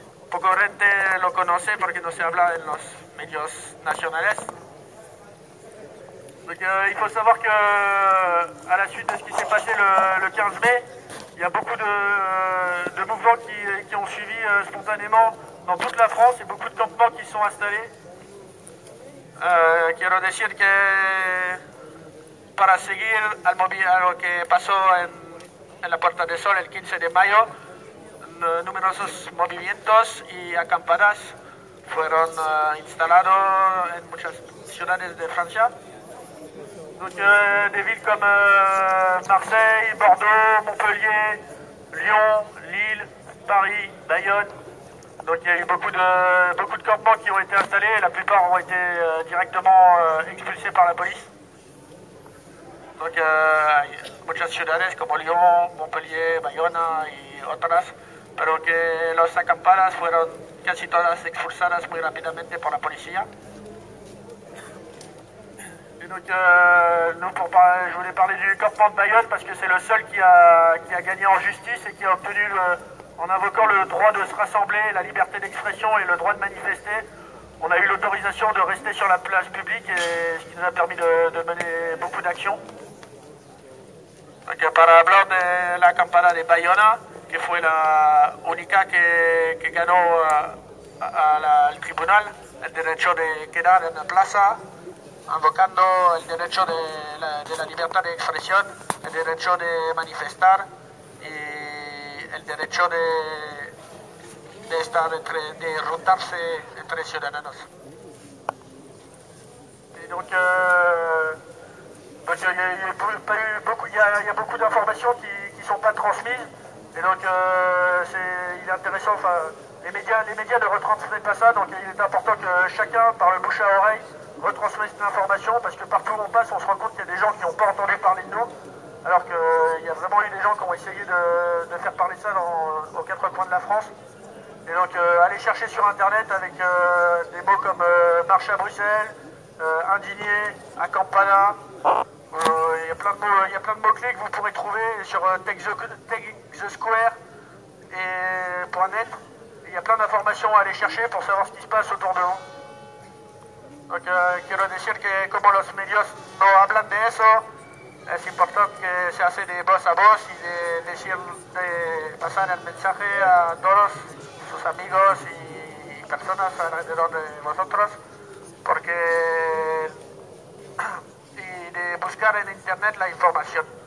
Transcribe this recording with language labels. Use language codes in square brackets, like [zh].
[es] Poco gente lo conoce porque no se habla en los medios nacionales. [fr] Donc, il faut savoir que, à la suite de ce qui s'est passé le 15 mai, il y a beaucoup de mouvements qui ont suivi spontanément dans toute la France et beaucoup de campements qui sont installés. [es] Quiero decir que para seguir al lo que pasó en la Puerta del Sol el 15 de mayo, numerosos movimientos y acampadas fueron instalados en muchas ciudades de Francia. [fr] Donc, des villes comme Marseille, Bordeaux, Montpellier, Lyon, Lille, Paris, Bayonne. Donc, il y a eu beaucoup de campements qui ont été installés. La plupart ont été directement expulsés par la police. Donc, [es] muchas ciudades [fr] comme Lyon, Montpellier, Bayonne et autres. [es] Pero que las acampadas fueron casi todas expulsadas muy rápidamente por la policía. [fr] Et donc, nous, je voulais parler du campement de Bayonne parce que c'est le seul qui a gagné en justice et qui a obtenu, en invoquant le droit de se rassembler, la liberté d'expression et le droit de manifester, on a eu l'autorisation de rester sur la place publique, et ce qui nous a permis de mener beaucoup d'actions. Donc, [es] para hablar de la campana de Bayona, que fue la única que ganó al tribunal el derecho de quedar en la plaza, invocando el derecho de la libertad de expresión, el derecho de manifestar y el derecho de estar de juntarse entre ciudadanos. Y [fr] donc, il y a beaucoup d'informations qui sont pas transmises. Et donc, il est intéressant, enfin, les médias ne retransmettent pas ça, donc il est important que chacun, par le bouche à oreille, retransmette cette information, parce que partout où on passe, on se rend compte qu'il y a des gens qui n'ont pas entendu parler de nous, alors qu'il y a vraiment eu des gens qui ont essayé de faire parler ça aux quatre coins de la France. Et donc, aller chercher sur Internet avec des mots comme marche à Bruxelles, indigné, acampada, il y a plein de mots-clés que vous pourrez trouver sur thesquare.net. Il y a plein d'informations à aller chercher pour savoir ce qui se passe autour de vous. Donc, [es] quiero decir que como los medios no hablan de eso, es importante que se hace de voz a voz y de pasar el mensaje a todos sus amigos y personas alrededor de vosotros, porque y de buscar en internet la información.